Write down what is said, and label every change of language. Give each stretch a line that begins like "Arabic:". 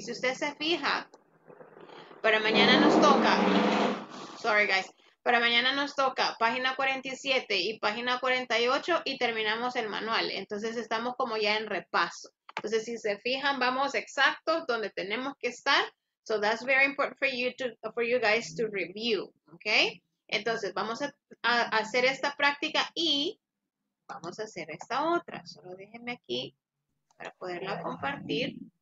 Spanish: Si usted se fija, para mañana nos toca.
English: Sorry, guys.
Spanish: Para mañana nos toca página 47 y página 48 y terminamos el manual. Entonces estamos como ya en repaso. Entonces si se fijan, vamos exacto donde tenemos que estar.
English: So that's very important for you to for you guys to review, okay?
Spanish: Entonces vamos a hacer esta práctica y vamos a hacer esta otra. Solo déjenme aquí para poderla compartir.